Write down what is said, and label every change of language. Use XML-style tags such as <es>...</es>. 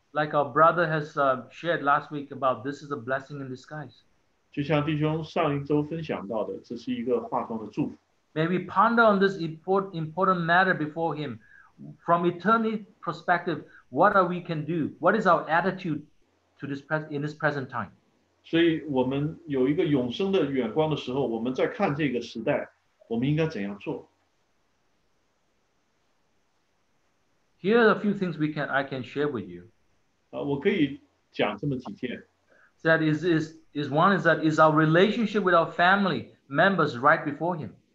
<en>like our brother has shared last week about this is a blessing in disguise.</en> <zh>就像弟兄上一周分享到的，这是一个化妆的祝福。</zh> <en>May we ponder on this important matter before him from eternity perspective. What are we can do? What is our attitude to this in this present time?</en> <zh>所以我们有一个永生的眼光的时候，我们在看这个时代，我们应该怎样做？</zh> <en>Here are a few things I can share with you.</en> <zh>我可以讲这么几件。</zh> <en>That is one is that is our relationship with our family members right before him.</en>